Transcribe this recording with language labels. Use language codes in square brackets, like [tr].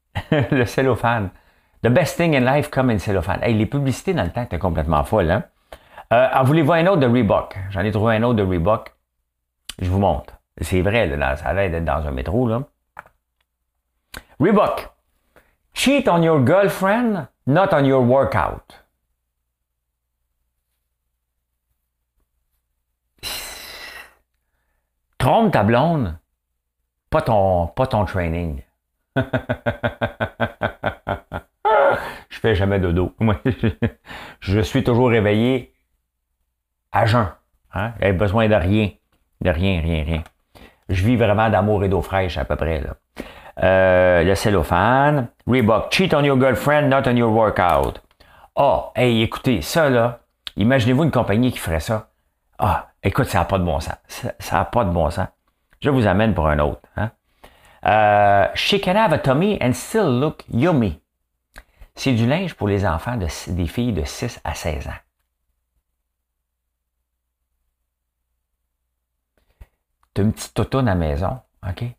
[fr] le cellophane. [en] The best thing in life come in cellophane. [fr] Hey, les publicités dans le temps étaient complètement folles, hein. En voulez-vous un autre de Reebok? J'en ai trouvé un autre de Reebok. Je vous montre. C'est vrai, là, ça a l'air d'être dans un métro, là. Reebok. [en] Cheat on your girlfriend, not on your workout. [fr] Trompe ta blonde, pas ton training. Je fais jamais dodo. Moi, je suis toujours réveillé à jeun. Hein? J'ai besoin de rien. De rien, rien, rien. Je vis vraiment d'amour et d'eau fraîche à peu près. Là. Le cellophane. [en] Reebok, cheat on your girlfriend, not on your workout. [fr] Ah, hey, écoutez, ça là, imaginez-vous une compagnie qui ferait ça. Ah, écoute, ça n'a pas de bon sens. Ça n'a pas de bon sens. Je vous amène pour un autre. Hein? [en] She can have a tummy and still look yummy. [fr] C'est du linge pour les enfants des filles de 6 à 16 ans. T'as une petite toutoune à la maison, OK?